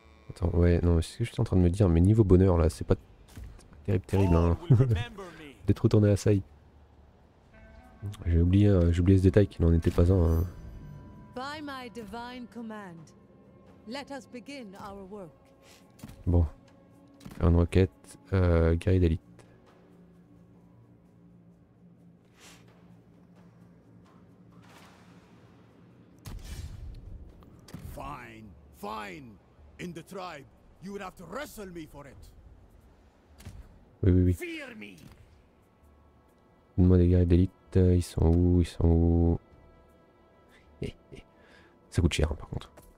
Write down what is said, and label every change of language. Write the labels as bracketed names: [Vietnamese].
[French] Attends, ouais, non, c'est ce que j'étais en train de me dire, mais niveau bonheur, là, c'est pas terrible, hein. D'être retourné à Saï. J'ai oublié ce détail qui n'en était pas un, hein. [English] By my divine command, let us begin our work. [French] Bon, faire une requête, guerrier d'élite. [English] Fine, fine. In the tribe, you would have to wrestle me for it. [French] Oui, oui, oui. [English] Fear me. [French] Donne-moi des guerriers d'élite. Ils sont où? Ils sont où? Ça coûte cher, hein, par contre.